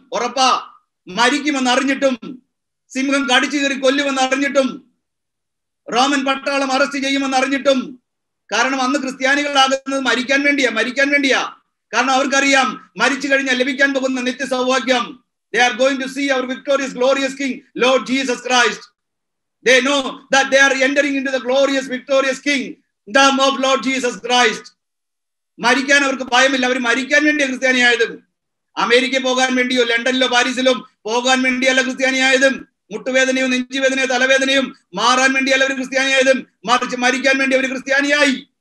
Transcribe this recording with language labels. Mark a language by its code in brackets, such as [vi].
[ml] ഉറപ്പാ, മരിക്കുമെന്ന് അറിഞ്ഞിട്ടും, സിംഹം കടിച്ചു കയറി കൊല്ലുമെന്ന് അറിഞ്ഞിട്ടും, റോമൻ പട്ടാളം അറസ്റ്റ് ചെയ്യുമെന്ന് അറിഞ്ഞിട്ടും. കാരണം അന്ന് ക്രിസ്ത്യാനികളാകുന്നത് മരിക്കാൻ വേണ്ടിയാ, മരിക്കാൻ വേണ്ടിയാ. കാരണം അവർക്കറിയാം മരിച്ചു കഴിഞ്ഞാൽ ലഭിക്കാൻ പോകുന്ന നിത്യ സൗഭാഗ്യം. [en] They are going to see our victorious, glorious King, Lord Jesus Christ. They know that they are entering into the glorious, victorious King, the of Lord Jesus Christ. [ml] മരിക്കാൻ അവർക്ക് ഭയമില്ല, അവർ മരിക്കാൻ വേണ്ടി ക്രിസ്ത്യാനിയായത്. അമേരിക്ക പോകാൻ വേണ്ടിയോ ലണ്ടനിലോ പാരീസിലോ പോകാൻ വേണ്ടിയല്ല ക്രിസ്ത്യാനിയായത്. മുട്ടുവേദനയും നെഞ്ചുവേദനയും തലവേദനയും മാറാൻ വേണ്ടിയല്ല അവർ ക്രിസ്ത്യാനിയായത്, മറിച്ച് മരിക്കാൻ വേണ്ടി അവർ ക്രിസ്ത്യാനിയായി.